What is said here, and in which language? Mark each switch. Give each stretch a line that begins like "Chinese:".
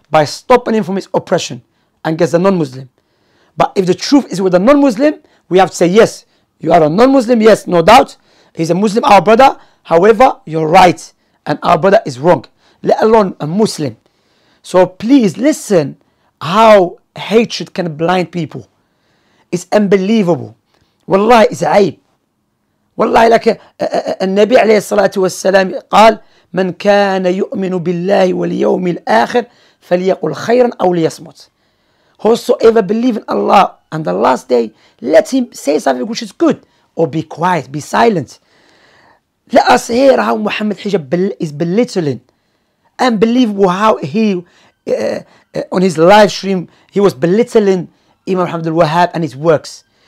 English: By stopping him from his oppression against a non-Muslim. But if the truth is with a non-Muslim, we have to say, yes, you are a non-Muslim, yes, no doubt. He's a Muslim, our brother. However, you're right and our brother is wrong, let alone a Muslim. So please listen how hatred can blind people. It's unbelievable. Wallahi, it's aib. Wallahi, like Nabi alayhi salatu wassalam qal,
Arabic: من كان يؤمن بالله واليوم الآخر فليقل خيرا أو ليصمت.
English: Whosoever believes in Allah and the last day, let him say something which is good or be quiet, be silent. Let us hear how Muhammad Hijab is belittling. Unbelievable how he, on his live stream, he was belittling Imam Muhammad al-Wahhab and his works.